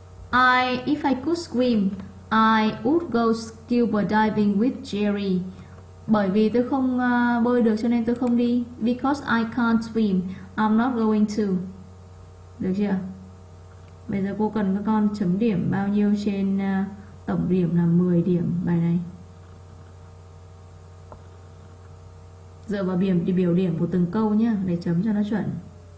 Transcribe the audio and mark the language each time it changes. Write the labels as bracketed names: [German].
[English] If I could swim, I would go scuba diving with Jerry. [Vietnamese] Bởi vì tôi không bơi được cho nên tôi không đi. [English] Because I can't swim, I'm not going to. [Vietnamese] Được chưa? Bây giờ cô cần các con chấm điểm bao nhiêu trên tổng điểm là 10 điểm bài này. Dựa vào biểu điểm của từng câu nhé, để chấm cho nó chuẩn.